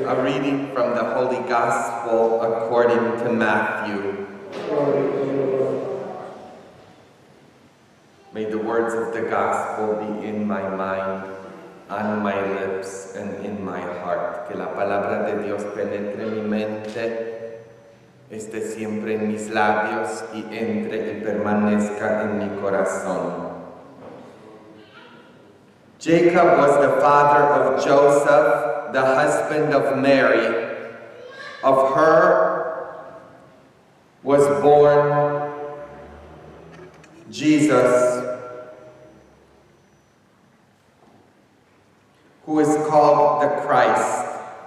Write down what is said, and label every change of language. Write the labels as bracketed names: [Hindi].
[English] you. A reading from the Holy Gospel according to Matthew. May the words of the Gospel be in my mind, on my lips, and in my heart. [Spanish] Que la palabra de Dios penetre mi mente, esté siempre en mis labios, y entre y permanezca en mi corazón. [English] Jacob was the father of Joseph, the husband of Mary. Of her was born Jesus, who is called the Christ.